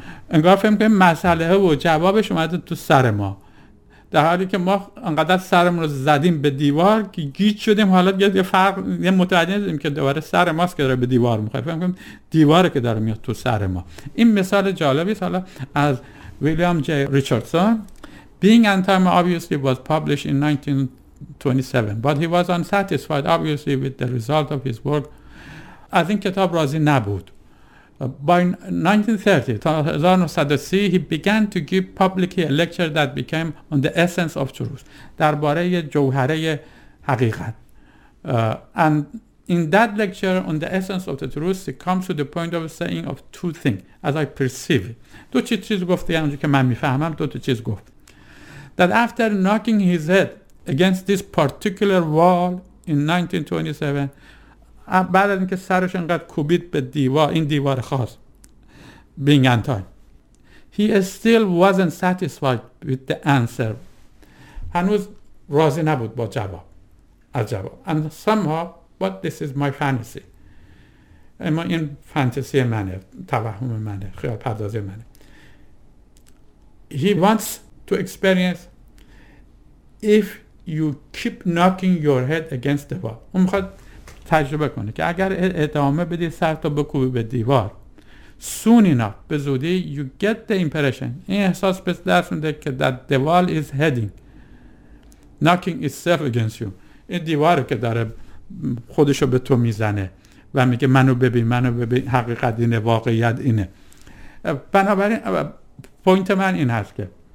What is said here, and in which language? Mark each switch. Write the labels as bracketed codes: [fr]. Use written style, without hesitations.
[fa] انگار فکر میکنیم مسئله و جوابش اومده تو سر ما، در حالی که ما انقدر سرمون رو زدیم به دیوار که گیج شدیم، حالا یه فرق یه متوجه نیستیم که دوباره سر ماست که داره به دیوار میخوره، فهم کنیم دیواره که داره میاد تو سر ما. این مثال جالبیست، حالا از ویلیام جی ریچاردسون. [en] Being on time obviously was published in 1927 but he was unsatisfied obviously with the result of his work. [fa] از این کتاب راضی نبود. [en] By 1930, he began to give publicly a lecture that became on the essence of truth. [fa] درباره جوهره حقیقت. [en] And in that lecture on the essence of the truth, he comes to the point of saying of two things, as I perceive it. [fa] دو چیز گفت، یعنی اونجا که من میفهمم دو چیز گفت. [en] That after knocking his head against this particular wall in 1927, [fa] بعد از اینکه سرش انقدر کوبید به دیوار، این دیوار خاص [en] being on time, he still wasn't satisfied with the answer. [fa] هنوز راضی نبود با جواب، از جواب. [en] And somehow, but this is my fantasy. [fa] اما این فانتزی منه، توهم منه، خیال پردازی منه. [en] He wants to experience if you keep knocking your head against the wall. [fa] اون میخواد تجربه کنه که اگر ادامه بدی سر تا بکوبی به دیوار، [en] soon enough [fa] به زودی [en] you get the impression، [fa] این احساس به دست میده که [en] that the wall is heading knocking itself against you، [fa] این دیواره که داره خودشو به تو میزنه و میگه منو ببین، منو ببین، حقیقت اینه، واقعیت اینه. بنابراین پوینت من این هست که